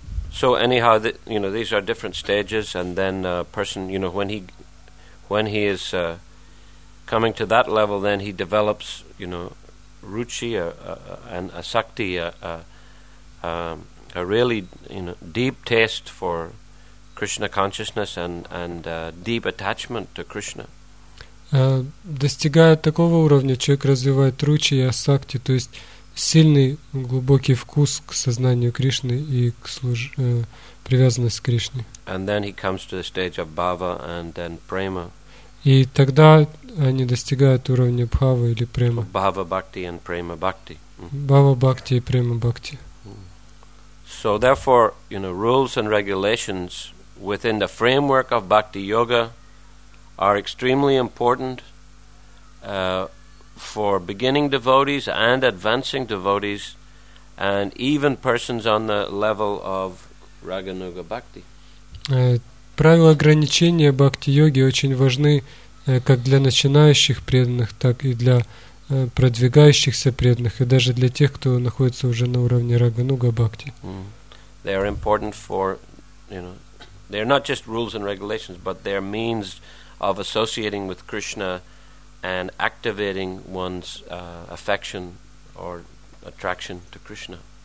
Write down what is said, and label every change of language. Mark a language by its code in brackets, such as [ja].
[en] So anyhow, you know, these are different stages, and then a person, you know, when he is coming to that level, then he develops, you know, ruchi and asakti, a really, you know, deep taste for Krishna consciousness and deep attachment to Krishna. [ru] Достигая такого уровня, человек развивает ручи и асакти, то есть сильный глубокий вкус к сознанию Кришны и к привязанность к Кришне. [en] And then he comes to the stage of bhava and then prema. [ru] И тогда они достигают уровня бхавы или према. Бхава бхакти и према бхакти. Бхава бхакти и према бхакти. [en] So therefore, you know, rules and regulations within the framework of bhakti yoga are extremely important for beginning devotees and advancing devotees and even persons on the level of Raganuga bhakti. [ru] Правила ограничения бхакти-йоги очень важны как для начинающих преданных, так и для продвигающихся преданных, и даже для тех, кто находится уже на уровне Рагануга Бхакти. [en] They are important for, you know, they are not just rules and regulations, but they are means of associating with Krishna and activating one's affection or attraction to Krishna.